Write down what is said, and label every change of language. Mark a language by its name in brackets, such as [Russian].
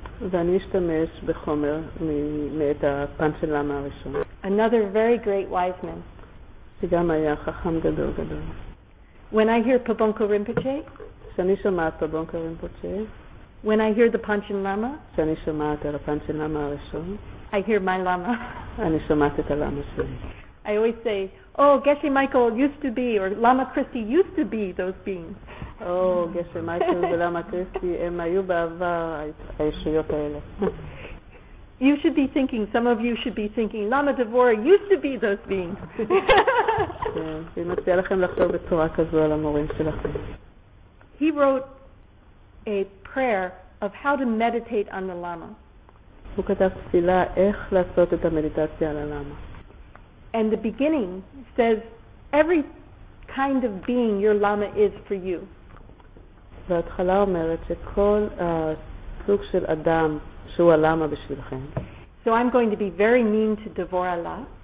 [Hebrew] ואני אשתמש בחומר מאת הפנצ'ן למה הראשון. [English] Another very great wise man. [Hebrew] שגם היה חכם גדול גדול. [English] When I hear Pabonka Rinpoche, [Hebrew] שאני שומעת פבונקה רינפוצ'י, [English] When I hear the Panchen Lama, [Hebrew] שאני שומעת על הפנצ'ן למה הראשון, [English] I hear my Lama. [Hebrew] אני שומעת את הלמה שלי. [English] I always say, oh, Geshe Michael used to be, or Lama Christi used to be those beings. Oh, Geshe Michael and Lama Christi, [Hebrew] הם היו בעבר הישויות האלה. [English] You should be thinking, some of you should be thinking, Lama Devora used to be those beings. [Hebrew] כן, אני מציע לכם לחשוב בצורה כזו על המורים שלכם. [English] He wrote a prayer of how to meditate on the Lama. [Hebrew] הוא כתב תפילה איך לעשות את המדיטציה על הלמה. [English] And the beginning says every kind of being your lama is for you. [Hebrew] וההתחלה אומרת שכל סוג של אדם שהוא הלמה בשבילכם. [English] So I'm going to be very mean to Devorala.